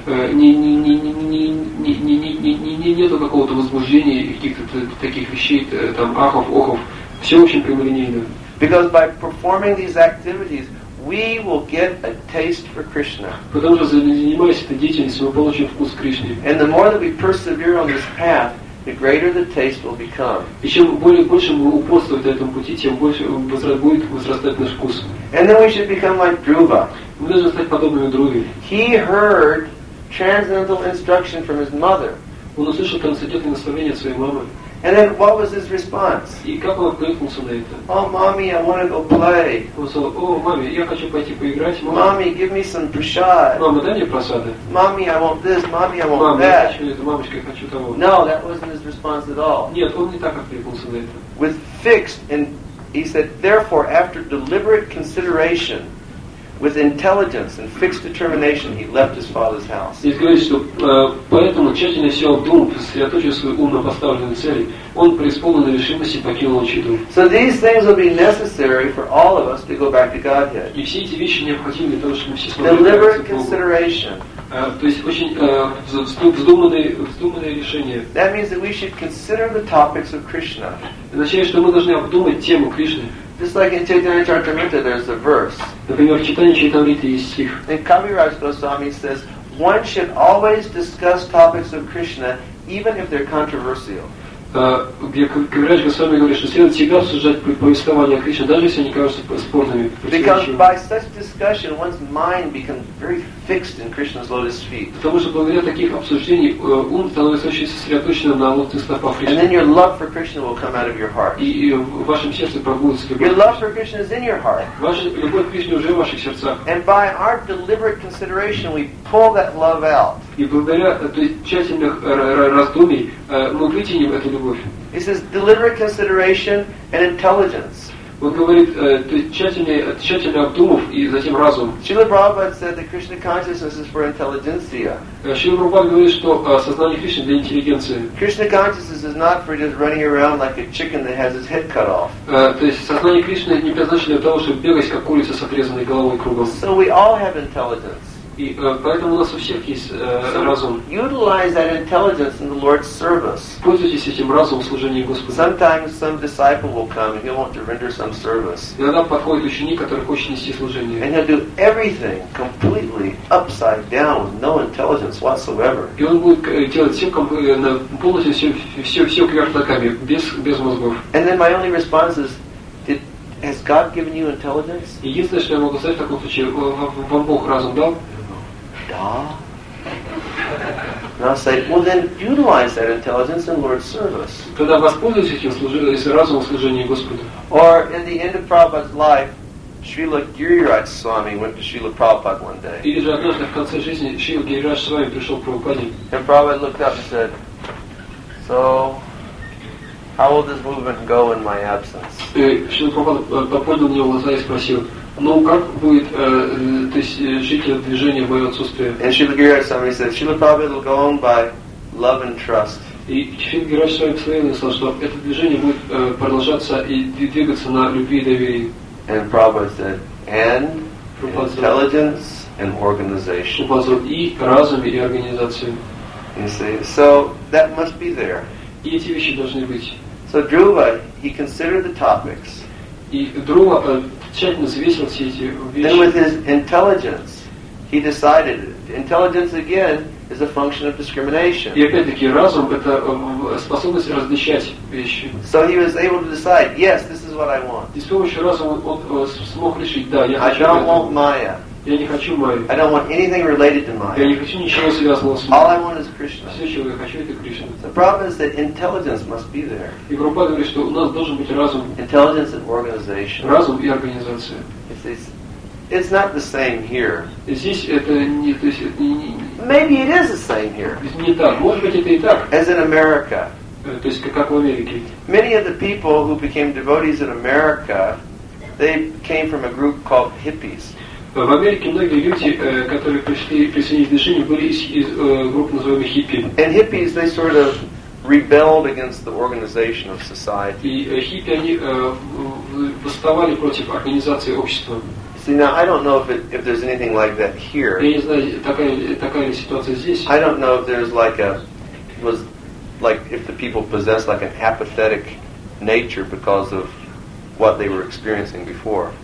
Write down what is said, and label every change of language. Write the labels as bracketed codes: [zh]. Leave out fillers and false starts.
[ru] Нету какого-то возбуждения каких-то таких вещей, там ахов, охов. Все очень прямолинейно. [en] Because by performing these activities, we will get a taste for Krishna. [ru] Потому что занимаясь этой деятельностью, мы получим вкус Кришны. [en] And the more that we persevere on this path, the greater the taste will become. [ru] И чем более больше мы упорствуем на этом пути, тем больше будет возрастать наш вкус. [en] And then we should become like Dhruva. [ru] Мы должны стать подобными Друве. [en] He heard transcendental instruction from his mother. [ru] Он услышал трансцендентное наставление от своей мамы. [en] And then what was his response? [ru] И как он откликнулся на это? [en] Oh, mommy, I want to go play. [ru] Он сказал: "О, маме, я хочу пойти поиграть". [en] Mommy, give me some prasad. [ru] Мама, дай мне прасады. [en] Mommy, I want this. Mommy, I want [ru] Мама, [en] that. [ru] Я хочу это. Мамочка, я хочу того. [en] No, that wasn't his response at all. [ru] Нет, он не так откликнулся на это. [en] With fixed and he said, therefore, after deliberate consideration, with intelligence and fixed determination, he left his father's house. [ru] И говорит, что поэтому тщательно сел в дом, сосредоточив свой ум на поставленной цели, он преисполнен решимости покинул чей дом. [en] So these things will be necessary for all of us to go back to Godhead. [ru] И все эти вещи необходимы для того, чтобы мы все смогли [en] deliberate consideration. [ru] То есть очень вздуманное решение. [en] That means that we should consider the topics of Krishna. [ru] Означает, что мы должны обдумать тему Кришны. [en] Just like in Chaitanya Charitamrita, there's a verse. [ru] Например, в Читании Чайтамриты есть стих. [en] And Kaviraj Goswami says, one should always discuss topics of Krishna, even if they're controversial. [ru] Кавираджа Госвами говорит, что следует всегда обсуждать повествования о Кришне, даже если они кажутся спорными. [en] Because by such discussion, one's mind becomes very fixed in Krishna's lotus feet. [ru] Потому что благодаря таких обсуждений ум становится очень сосредоточен на лотосных стопах Кришны. [en] And then your love for Krishna will come out of your heart. [ru] И в вашем сердце пробудится любовь. [en] Your love for Krishna is in your heart. [ru] Ваша любовь к Кришне уже в ваших сердцах. [en] And by our deliberate consideration, we pull that love out. [ru] И благодаря тщательных раздумий мы вытянем эту любовь. [en] He says deliberate consideration and intelligence. [ru] Он говорит, тщательно обдумав и затем разум. [en] Srila Prabhupada said that Krishna consciousness is for intelligentsia. [ru] Srila Prabhupada говорит, что сознание Кришны для интеллигенции. [en] Krishna consciousness is not for just running around like a chicken that has its head cut off. [ru] То есть сознание Кришны не предназначено для того, чтобы бегать как курица с отрезанной головой кругом. [en] So we all have intelligence. [ru] И поэтому у нас у всех есть разум. [en] Utilize that intelligence in the Lord's service. [ru] Пользуйтесь этим разумом в служении Господу. [en] Sometimes some disciple will come and he'll want to render some service. [ru] Иногда подходит ученик, который хочет нести служение. [en] And he'll do everything completely upside down, no intelligence whatsoever. [ru] И он будет делать полностью все кверх ногами, без мозгов. [en] And then my only response is, has God given you intelligence? [ru] Единственное, что я могу сказать в таком случае, вам Бог разум дал? Да. [en] And I'll say, well then utilize that intelligence in Lord's service. [ru] Когда воспользуйтесь этим разумом служения Господу. [en] Or in the end of Prabhupada's life, Srila Giriraj Swami went to Srila Prabhupada one day. [ru] Или же однажды в конце жизни Srila Giriraj Swami пришел к Прабхупаде. [en] And Prabhupada looked up and said, so how will this movement go in my absence? [ru] Srila Prabhupada поднял на него глаза и спросил, ну, как будет жить это движение в моем отсутствии? [en] And Srila Giriraj Swami said, Srila Prabhupada will go on by love and trust. [ru] И Srila Giriraj Swami сказал, что это движение будет продолжаться и двигаться на любви и доверии. [en] And Prabhupada said, and intelligence and organization. [ru] И разум и организацию. [en] You see, so that must be there. [ru] И эти вещи должны быть. [en] So Dhruva, he considered the topics. [ru] И Друва тщательно взвесил все эти вещи. [en] Then with his intelligence, he decided. Intelligence again is a function of discrimination. [ru] И опять-таки разум — это способность различать вещи. [en] So he was able to decide. Yes, this is what I want. [ru] И с помощью разума он смог решить: да, я хочу. [en] I don't want Maya. [ru] Я не хочу Майю. [en] I don't want anything related to Maya. [ru] Я не хочу ничего связанного с Майей. [en] All I want is Krishna. [ru] Все, чего я хочу, это Кришна. [en] The problem is that intelligence must be there. [ru] И Прабхупада говорит, что у нас должен быть разум. [en] Intelligence and organization. [ru] Разум и организация. [en] It's not the same here. [ru] Здесь это не, то есть это не. [en] Maybe it is the same here. [ru] Не так. Может быть, это и так. [en] As in America. [ru] То есть как в Америке. [en] Many of the people who became devotees in America, they came from a group called hippies. [ru] В Америке многие люди, которые пришли присоединить движение, были из групп, называемых хиппи. [en] And hippies, they sort of rebelled against the organization of society. [ru] И хиппи, они восставали против организации общества. [en] See, now, I don't know if there's anything like that here. [ru] Я не знаю, такая ли ситуация здесь. [en] I don't know if there's like a, was like if the people possessed like an apathetic nature because of what they were experiencing before.